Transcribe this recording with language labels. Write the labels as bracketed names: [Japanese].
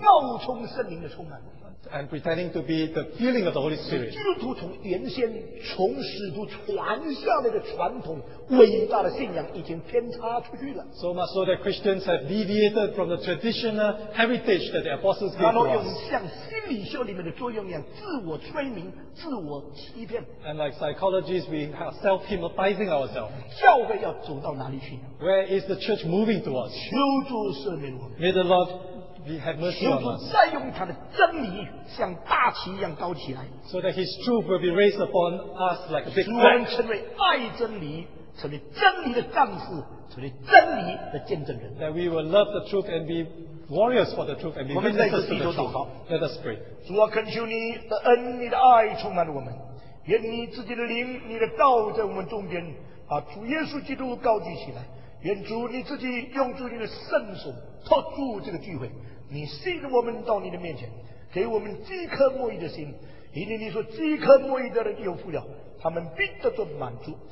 [Chinese] 冒充圣灵的充满。 [English] And pretending to be the feeling of the Holy Spirit. [Chinese] 基督徒从原先从始祖传下来的传统伟大的信仰已经偏差出去了。 [English] So much so that Christians have deviated from the traditional heritage that the apostles gave us. [Chinese] 然后用像心理学里面的作用一样，自我催眠、自我欺骗。 [English] And like psychologists, we are self-hypnotizing ourselves. [Chinese] 教会要走到哪里去呢？ [English] Where is the church moving towards? [Chinese] 求主赦免我们。 [English] May the Lord We have mercy on us. [Chinese] 再用他的真理像大旗一样高起来。 [English] So that His truth will be raised upon us like a big flag. [Chinese] 使我们成为爱真理，成为真理的战士，成为真理的见证人。 [English] That we will love the truth and be warriors for the truth and be witnesses to the truth. [Chinese] 我们在这地球祷告。 [English] Let us pray. [Chinese] 主啊，恳求你的恩、你的爱充满了我们。愿你自己的灵、你的道在我们中间，把主耶稣基督高举起来。愿主你自己用主你的圣手托住这个聚会。你吸引我们到你的面前，给我们饥渴慕义的心，因为你说饥渴慕义的人有福了，他们必得着满足。